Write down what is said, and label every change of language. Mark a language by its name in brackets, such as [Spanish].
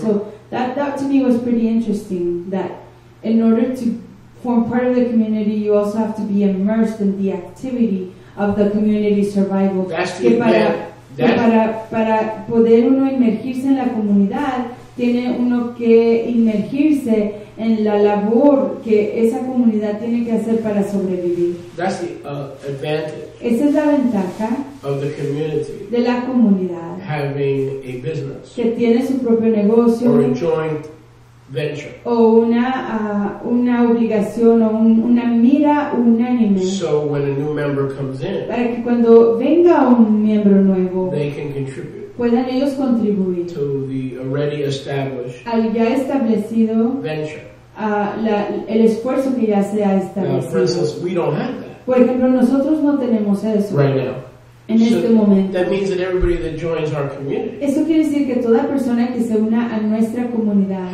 [English] So that to me was pretty interesting, that in order to form part of the community, you also have to be immersed in the activity of the community survival. [Spanish] Para poder uno inmergirse en la comunidad, tiene uno que inmergirse en la labor que esa comunidad tiene que hacer para sobrevivir. [English] That's the advantage. [Spanish] Esa es la ventaja [English] of the community [Spanish] de la comunidad. [English] Having a business, [Spanish] que tiene su propio negocio, [English] or a joint venture, [Spanish] o una obligación o una mira unánime. [English] So when a new member comes in, [Spanish] para que cuando venga un miembro nuevo, [English] they can contribute. [Spanish] Puedan ellos contribuir [English] to the already established, [Spanish] al ya establecido [English] venture. [Spanish] El esfuerzo que ya se ha establecido. [English] For instance, we don't have that. [Spanish] Por ejemplo, nosotros no tenemos eso [English] right now. [Spanish] En so este momento. [English] That means that everybody that joins our community, [Spanish] eso quiere decir que toda persona que se una a nuestra comunidad